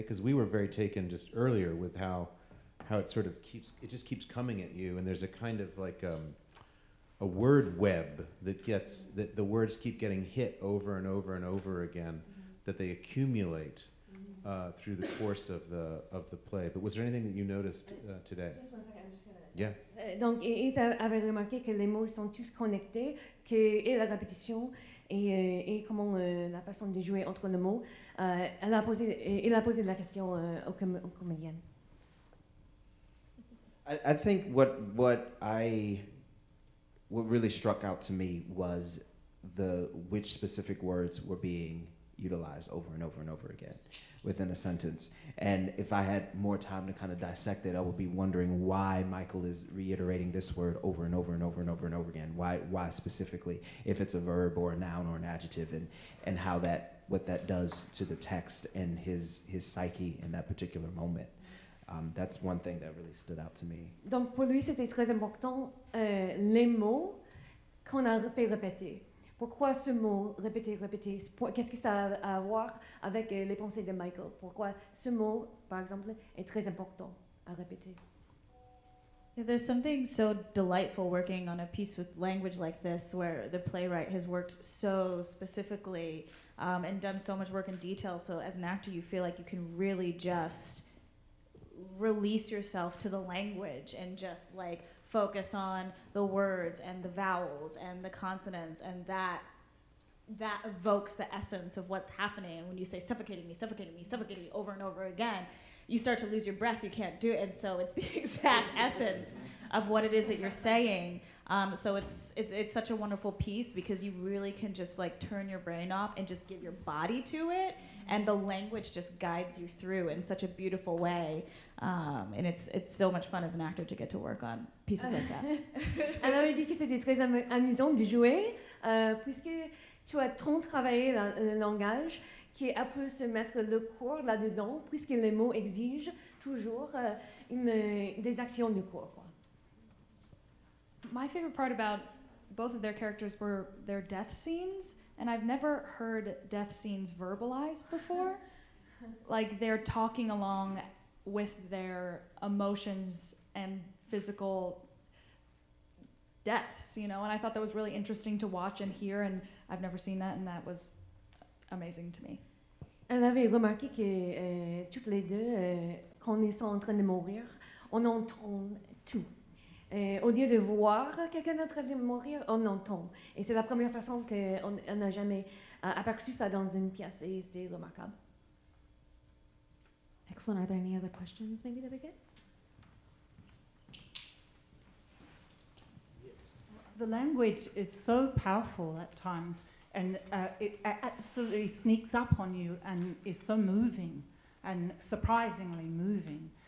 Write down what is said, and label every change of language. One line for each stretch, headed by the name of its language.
English: Because we were very taken just earlier with how it sort of keeps coming at you, and there's a kind of like a word web that the words keep getting hit over and over and over again, mm-hmm. that they accumulate through the course of the play. But was there anything that you noticed today? Just one second, I'm just gonna Yeah.
French: Donc, et avait remarqué que les mots sont tous connectés, que et la répétition et comment la façon de jouer entre les mots, il a posé de la question au comédien.
English: I think what really struck out to me was which specific words were being utilized over and over and over again within a sentence. And if I had more time to kind of dissect it, I would be wondering why Michael is reiterating this word over and over and over and over and over again. Why specifically, if it's a verb or a noun or an adjective, and how that, what that does to the text and his psyche in that particular moment. That's one thing that really stood out to me.
French: Donc pour lui, c'était très important les mots qu'on a fait répéter. Pourquoi ce mot répéter? Qu'est-ce que ça a à voir avec les pensées de Michael? Pourquoi ce mot, par exemple, est très important à répéter?
English: Yeah, there's something so delightful working on a piece with language like this, where the playwright has worked so specifically and done so much work in detail. So as an actor, you feel like you can really just release yourself to the language and just like focus on the words and the vowels and the consonants, and that evokes the essence of what's happening. And when you say suffocating me, suffocating me over and over again, you start to lose your breath, you can't do it. And so it's the exact essence of what it is that you're saying. So it's such a wonderful piece because you really can just like turn your brain off and just give your body to it. And the language just guides you through in such a beautiful way. And it's so much fun as an actor to get to work on pieces like that.
French: Elle avait dit que c'était très amusant de jouer, puisque tu as tant travaillé le langage qu'elle peut se mettre le corps là-dedans, puisque les mots exigent toujours des actions du corps, quoi.
English: My favorite part about both of their characters were their death scenes. And I've never heard death scenes verbalized before. Like they're talking along with their emotions and physical deaths, you know? And I thought that was really interesting to watch and hear, and I've never seen that, and that was amazing to me.
French: Elle avait remarqué que toutes les deux, quand ils sont en train de mourir, on entend tout. Au lieu de voir quelqu'un d'autre mourir, on entend. Et c'est la première façon qu'on n'a jamais aperçu ça dans une pièce, et c'était remarquable.
English: Excellent. Are there any other questions, maybe, that we get? The language is so powerful at times, and it absolutely sneaks up on you and is so moving, and surprisingly moving.